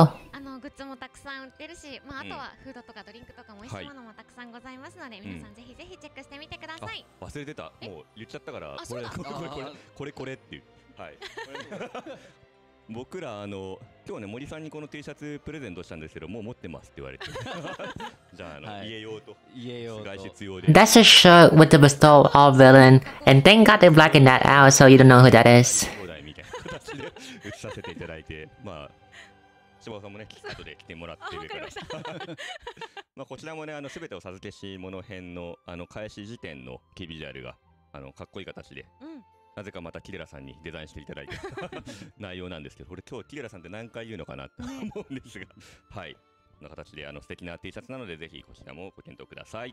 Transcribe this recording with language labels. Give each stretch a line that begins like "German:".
Japanese: あのグッズもたくさん売ってるし、まああとはフードとかドリンクとかも美味しいものもたくさんございますので、皆さんぜひぜひチェックしてみてください。忘れてた。もう言っちゃったから。あ、そうだ。これこれっていう。はい。僕らあの今日ね森さんにこの T シャツプレゼントしたんですけど、もう持ってますって言われて、じゃああの、はい、家用と家用と外出用で。
English: That's a shirt with the bestow all villain, and thank God they blacken that out so you don't know who that is。
Japanese: 放題みたいな形で映させていただいて、まあ柴田さんもね後で来てもらってるから。まあこちらもねあのすべてお授けし物編のあの開始時点のキビジュアルがあのかっこいい形で。うん、なぜかまたキレラさんにデザインしていただいた内容なんですけど、俺今日キレラさんって何回言うのかなと思うんですが、はい、こんな形であの素敵な T シャツなので、ぜひこちらもご検討ください。